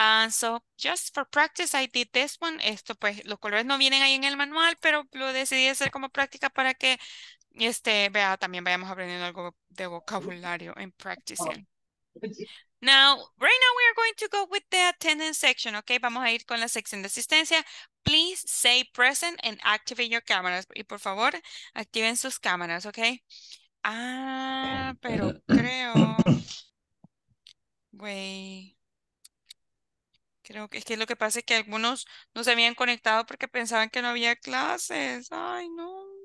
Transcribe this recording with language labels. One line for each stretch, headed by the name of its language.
English: So, just for practice, I did this one.
Spanish: Esto pues, los colores no vienen ahí en el manual, pero lo decidí hacer como práctica para que, vea, también vayamos aprendiendo algo de vocabulario en practice.
English: Now, right now we are going to go with the attendance section, ¿ok?
Spanish: Vamos a ir con la sección de asistencia.
English: Please say present and activate your cameras.
Spanish: Y por favor, activen sus cámaras,
English: ¿ok?
Spanish: Ah, pero creo. Güey. Creo que es que lo que pasa es que algunos no se habían conectado porque pensaban que no había clases. Ay, no.